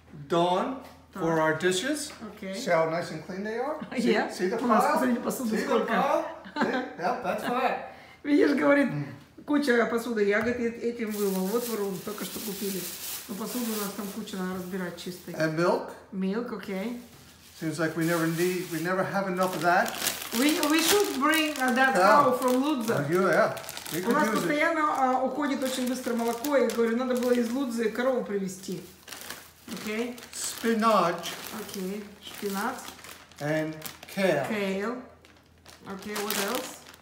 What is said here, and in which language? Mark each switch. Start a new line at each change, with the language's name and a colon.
English: Dawn, for our dishes. Okay. See how nice and clean they are? Yeah. See the pile?
Russian: Посуду,
English: see
Russian: сколько?
English: The pile? Yep, that's fine.
Russian: Видишь, говорит, куча посуды. Я, говорит, этим вымыл. Вот ворон, только что купили. Но посуду у нас там куча, надо разбирать чистой.
English: And milk? Milk, okay. Seems like we never have enough of that. We should bring that cow from Ludza. Yeah.
Russian: У нас постоянно уходит очень быстро молоко, и говорю, надо было из Лудзы корову привезти.
English: Okay. Spinach. Okay.
Russian: Шпинат.
English: And kale. Kale. Okay. What else?